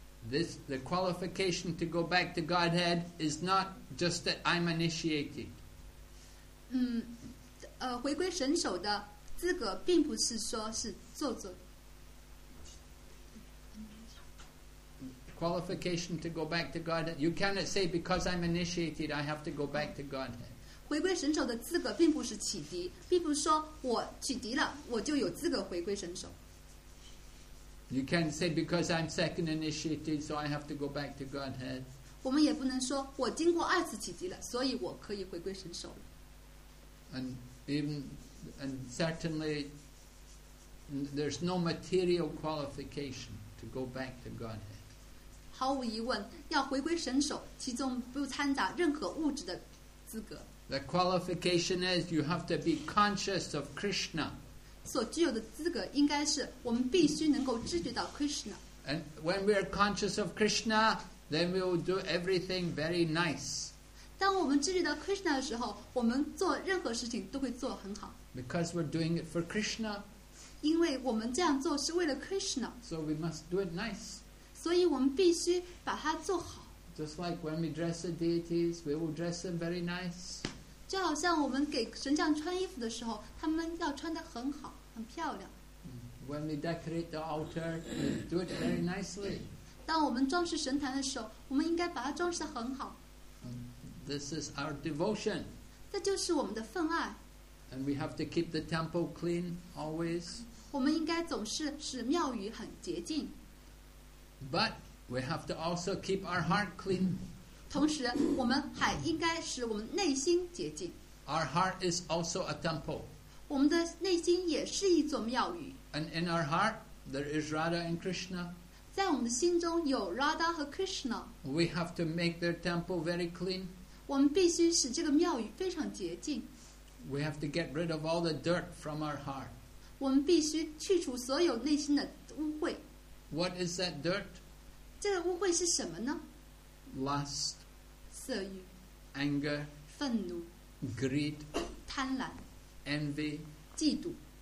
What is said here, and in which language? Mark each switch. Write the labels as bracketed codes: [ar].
[en] This, the qualification to go back to Godhead is not just that I'm initiated. [zh] 回归神首的资格并不是说是做作。 [en] Qualification to go back to Godhead, you cannot say because I'm initiated, I have to go back to Godhead. [zh] 回归神首的资格并不是启迪，并不是说我启迪了，我就有资格回归神首。 [en] You can't say because I'm second initiated, so I have to go back to Godhead. [zh] 我们也不能说我经过二次启迪了，所以我可以回归神首了。 [en] And certainly, there's no material qualification to go back to Godhead. [zh] 毫无疑问，要回归神首，其中不掺杂任何物质的资格。 [en] The qualification is you have to be conscious of Krishna. [zh] 所具有的资格应该是我们必须能够知觉到 Krishna。 [en] And when we are conscious of Krishna, then we will do everything very nice. [zh] 当我们知觉到 Krishna 的时候，我们做任何事情都会做很好。 [en] Because we're doing it for Krishna. [zh] 因为我们这样做是为了 Krishna. [en] So we must do it nice. [zh] 所以我们必须把它做好。 [en] Just like when we dress the deities, we will dress them very nice. [zh] 就好像我们给神像穿衣服的时候，他们要穿得很好，很漂亮。 [en] When we decorate the altar, do it very nicely. [zh] 当我们装饰神坛的时候，我们应该把它装饰得很好。 [en] This is our devotion. [zh] 这就是我们的份爱。 [en] And we have to keep the temple clean always. [zh] 我们应该总是使庙宇很洁净。 [en] But we have to also keep our heart clean. [zh] 同时我们还应该使我们内心洁净。 [en] Our heart is also a temple. [zh] 我们的内心也是一座庙宇。 [en] And in our heart there is Radha and Krishna. [zh] 在我们的心中有 Radha 和 Krishna. [en] We have to make their temple very clean. [zh] 我们必须使这个庙宇非常洁净。 [en] We have to get rid of all the dirt from our heart. [zh] 我们必须去除所有内心的污秽。 [en] What is that dirt? [zh] 这个污秽是什么呢？ [en] Lust, [zh] 色欲, [en] anger, [zh] 愤怒, [en] greed, [zh] 贪婪, [en] envy, [zh] 嫉妒,